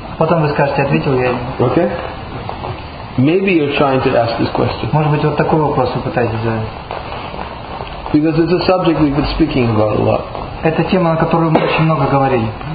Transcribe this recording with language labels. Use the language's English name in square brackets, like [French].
[Russian] Потом вы скажете, ответил я. [English] Okay. Maybe you're trying to ask this question. [Russian] Может быть, вот такой вопрос вы пытаетесь задать. [English] Because it's a subject we've been speaking about a lot. [Russian] Это тема, на которую мы очень много говорили.